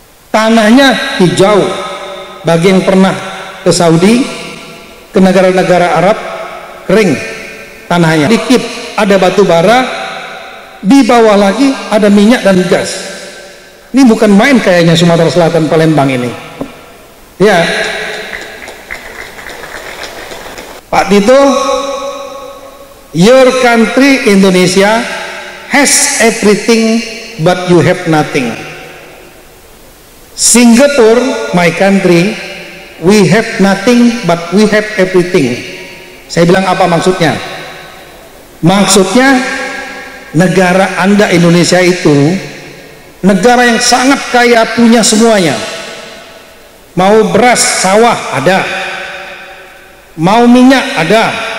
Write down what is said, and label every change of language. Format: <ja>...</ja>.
<id>Tanahnya hijau. Bagi yang pernah ke Saudi, ke negara-negara Arab, kering tanahnya. Dikit ada batu bara, di bawah lagi ada minyak dan gas. Ini bukan main kayaknya Sumatera Selatan, Palembang ini. Ya.</id> <en>Pak Tito, your country Indonesia has everything but you have nothing. Singapore, my country, we have nothing but we have everything.</en> <id>Saya bilang apa maksudnya? Maksudnya negara Anda Indonesia itu negara yang sangat kaya, punya semuanya. Mau beras, sawah, ada. Mau minyak, ada.</id>